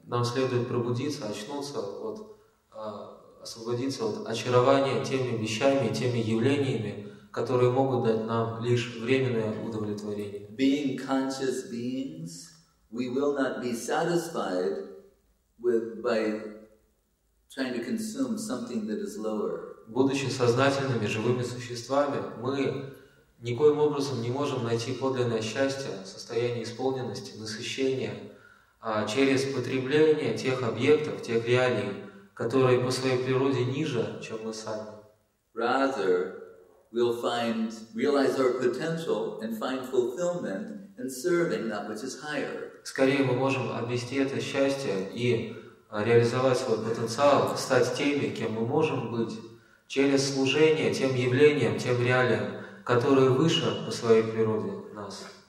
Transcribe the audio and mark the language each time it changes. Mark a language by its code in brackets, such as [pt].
[ru] Нам следует пробудиться, очнуться, вот, освободиться от очарования теми вещами, теми явлениями, которые могут дать нам лишь временное удовлетворение. [en] Being conscious beings, we will not be satisfied with by trying to consume something that is lower. [ru] Будучи сознательными живыми существами, мы никоим образом не можем найти подлинное счастье, состояние исполненности, насыщения через потребление тех объектов, тех реалий, которые по своей природе ниже, чем мы сами. [en] Rather, we'll find, realize our potential and find fulfillment in serving that which is higher. [ru] Скорее мы можем обрести это счастье и реализовать свой потенциал, стать теми, кем мы можем быть, через служение тем явлениям, тем реалиям, которые выше по своей природе нас.